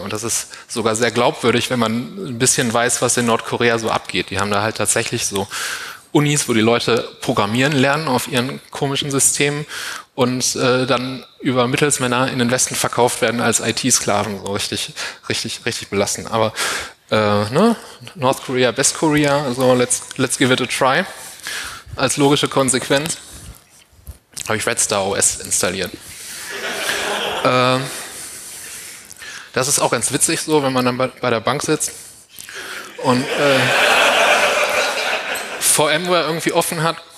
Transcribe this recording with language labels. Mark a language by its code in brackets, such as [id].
[de] Und das ist sogar sehr glaubwürdig, wenn man ein bisschen weiß, was in Nordkorea so abgeht. Die haben da halt tatsächlich so Unis, wo die Leute programmieren lernen auf ihren komischen Systemen und dann über Mittelsmänner in den Westen verkauft werden als IT-Sklaven, so richtig, richtig, richtig belassen. Aber ne? [en] North Korea, West Korea, so let's give it a try. [de] Als logische Konsequenz habe ich Redstar OS installiert. Das ist auch ganz witzig so, wenn man dann bei der Bank sitzt und VMware irgendwie offen hat.